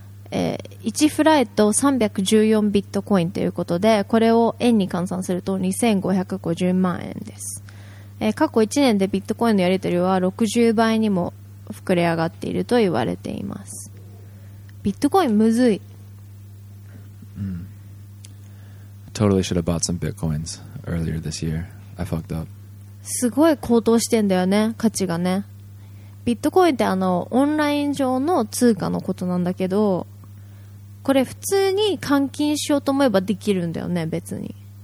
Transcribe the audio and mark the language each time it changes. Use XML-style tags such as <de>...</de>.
<ja>1フライト314ビットコインということで、これを円に換算すると2550万円です。過去1年でビットコインのやり取りは60倍にも膨れ上がっていると言われています。ビットコインむずい。</ja> <en>Totally should have bought some bitcoins earlier this year. I fucked up.</en> <ja>すごい高騰してんだよね、価値がね。ビットコインってあのオンライン上の通貨のことなんだけど、これ普通に換金しようと思えばできるんだよね、別に。</ja>